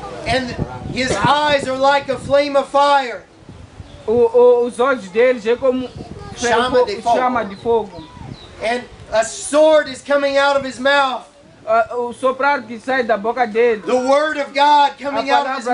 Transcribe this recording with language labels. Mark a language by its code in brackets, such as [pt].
[en] And his eyes are like a flame of fire. [pt] Os olhos deles é como chama de fogo. [en] And a sword is coming out of his mouth. [pt] O soprar que sai da boca dele. [en] The word of God coming out of his mouth.